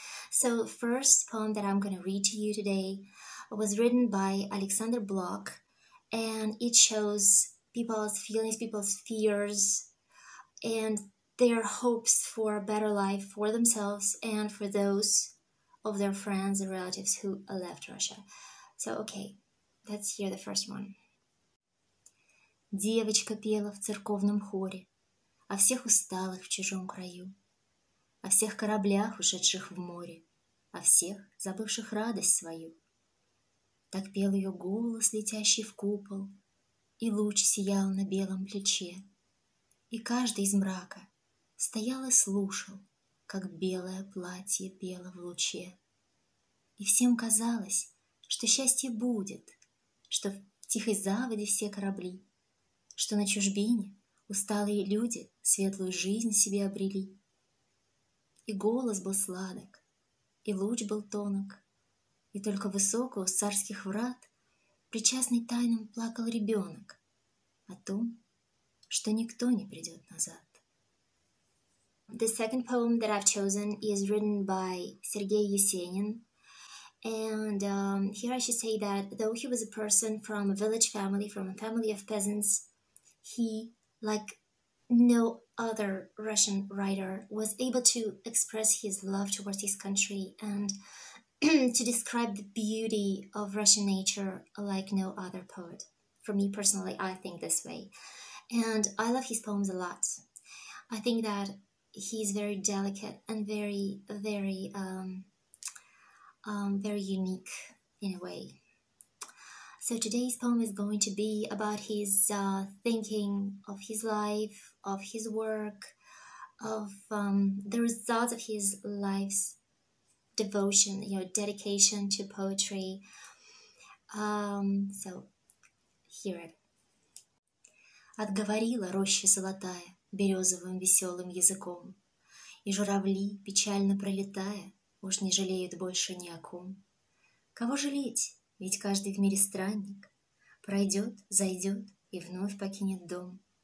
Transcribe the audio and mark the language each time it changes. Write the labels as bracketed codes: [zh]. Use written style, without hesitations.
[en] So the first poem that I'm going to read to you today was written by Alexander Blok, and it shows people's feelings, people's fears, and their hopes for a better life for themselves and for those of their friends and relatives who left Russia. So, okay, let's hear the first one. [ru] Девочка пела в церковном хоре о всех усталых в чужом краю, о всех кораблях, ушедших в море, о всех, забывших радость свою. Так пел ее голос, летящий в купол, и луч сиял на белом плече. И каждый из мрака стоял и слушал, как белое платье пело в луче. И всем казалось, что счастье будет, что в тихой заводе все корабли, что на чужбине усталые люди светлую жизнь себе обрели. И голос был сладок, и луч был тонок, и только высоко у царских врат причастный тайнам плакал ребенок о том, что никто не придет назад. [en] The second poem that I've chosen is written by Sergey Yesenin. And here I should say that though he was a person from a village family, from a family of peasants, he, like no other Russian writer, was able to express his love towards his country and to describe the beauty of Russian nature like no other poet. For me personally, I think this way. And I love his poems a lot. I think that he's very delicate and very, very, very unique in a way. So today's poem is going to be about his thinking of his life, of his work, of the results of his life's devotion, you know, dedication to poetry. So hear it. [ru] Отговорила роща золотая березовым веселым языком, и журавли, печально пролетая, уж не жалеют больше ни о ком. Кого жалеть, ведь каждый в мире странник, пройдет, зайдет и вновь покинет дом.